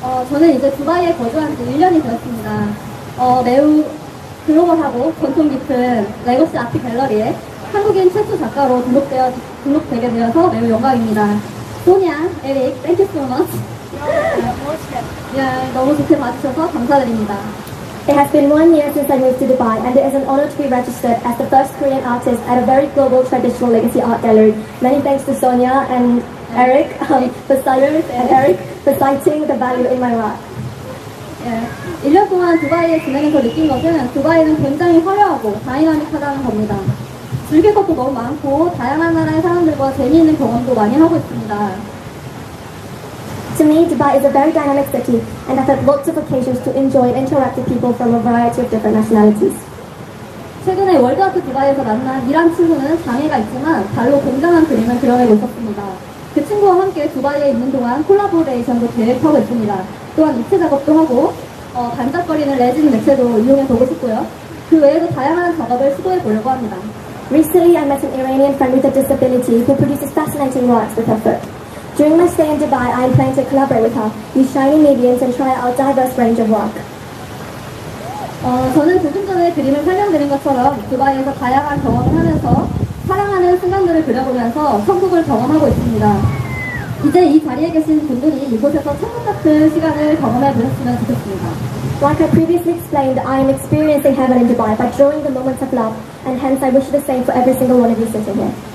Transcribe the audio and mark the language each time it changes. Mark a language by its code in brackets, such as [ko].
[ko] 저는 이제 두바이에 거주한 지 1년이 되었습니다. 매우 글로벌하고 전통 깊은 레거시 아트 갤러리에 한국인 최초 작가로 등록되게 되어서 매우 영광입니다. [en] 소니아, 에릭, thank you so much. [ko] 너무 좋게 봐주셔서 감사드립니다. [en] It has been 1 year since I moved to Dubai, and it is an honor to be registered as the first Korean artist at a very global traditional legacy art gallery. Many thanks to Sonia and Eric, for citing the value in my work. [ko] 1년 동안 두바이에 진행해서 느낀 것은 두바이는 굉장히 화려하고 다이나믹하다는 겁니다. 즐길 것도 너무 많고 다양한 나라의 사람들과 재미있는 경험도 많이 하고 있습니다. [en] To me, Dubai is a very dynamic city, and I've had lots of occasions to enjoy and interact with people from a variety of different nationalities. [ko] 최근에 월드아트 두바이에서 만난 이란 친구는 장애가 있지만 발로 공정한 그림을 그려내고 있었습니다. 그 친구와 함께 두바이에 있는 동안 콜라보레이션도 계획하고 있습니다. 또한 입체 작업도 하고 반짝거리는 레진 매체도 이용해보고 싶고요. 그 외에도 다양한 작업을 시도해보려고 합니다. [en] Recently, I met an Iranian friend with a disability who produces fascinating works with her foot. During my stay in Dubai, I am planning to collaborate with her, use shiny mediums, and try out a diverse range of work. [ko] 저는 조금 전에 그림을 설명드린 것처럼 두바이에서 다양한 경험을 하면서 사랑하는 순간들을 그려보면서 천국을 경험하고 있습니다. 이제 이 자리에 계신 분들이 이곳에서 천국 같은 시간을 경험해 보셨으면 좋겠습니다. [en] Like I previously explained, I am experiencing heaven in Dubai by drawing the moments of love, and hence I wish the same for every single one of you sitting here.